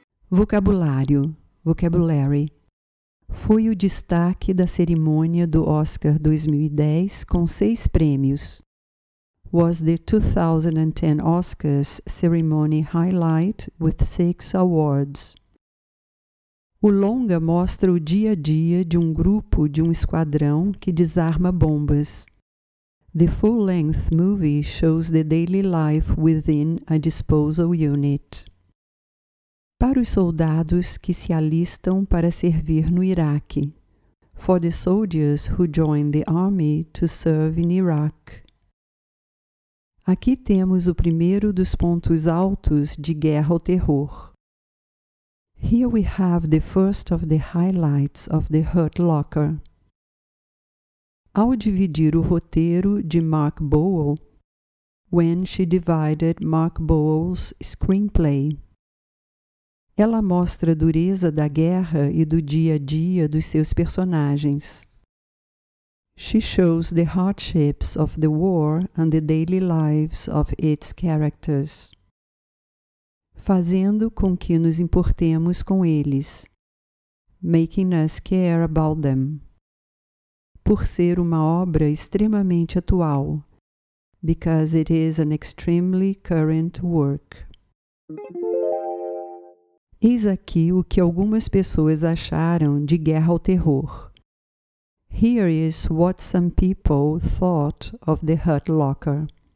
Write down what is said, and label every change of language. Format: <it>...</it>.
<pt>Vocabulário, vocabulary. Foi o destaque da cerimônia do Oscar 2010 com 6 prêmios.</pt> <en>was the 2010 Oscars ceremony highlight with 6 awards.</en> <pt>O longa mostra o dia a dia de um grupo de um esquadrão que desarma bombas.</pt> <en>The full-length movie shows the daily life within a disposal unit.</en> <pt>Para os soldados que se alistam para servir no Iraque.</pt> <en>For the soldiers who join the army to serve in Iraq.</en> <pt>Aqui temos o primeiro dos pontos altos de Guerra ou Terror.</pt> <en>Here we have the first of the highlights of The Hurt Locker.</en> <pt>Ao dividir o roteiro de Mark Bowell,</pt> <en>when she divided Mark Bowell's screenplay.</en> <pt>Ela mostra a dureza da guerra e do dia a dia dos seus personagens.</pt> <en>She shows the hardships of the war and the daily lives of its characters.</en> <pt>Fazendo com que nos importemos com eles.</pt> <en>Making us care about them.</en> <pt>Por ser uma obra extremamente atual.</pt> <en>Because it is an extremely current work.</en> <pt>Eis aqui o que algumas pessoas acharam de Guerra ao Terror.</pt> <en>Here is what some people thought of The Hurt Locker.</en>